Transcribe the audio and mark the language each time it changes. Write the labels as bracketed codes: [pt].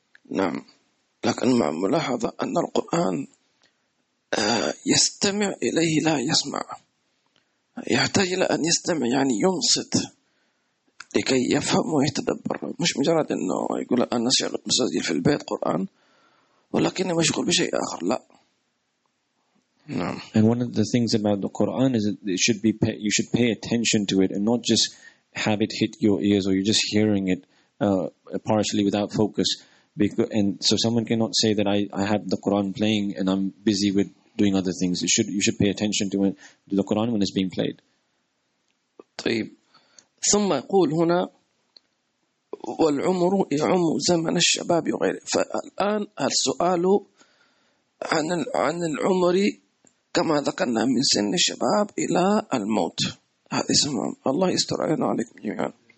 [ar] نعم، لكن مع ملاحظة أن القرآن يستمع إليه لا يسمع، يحتاج إلى أن يستمع، يعني ينصت لكي يفهم ويتدبر، مش مجرد أنه يقول أنا شغل مسجل في البيت قرآن ولكني مشغول بشيء آخر، لا. نعم. [en] And one of the things about the Quran is that it should be you should pay attention to it and not just have it hit your ears or you're just hearing it partially without focus. Because, and so someone cannot say that I have the Quran playing and I'm busy with doing other things. You should pay attention to the Quran when it's being played. [ar] طيب. ثم يقول هنا والعمر يعم زمن الشباب وغيره. فالآن السؤال عن العمر كما ذكرنا من سن الشباب إلى الموت، الله يستر علينا عليكم جميعا.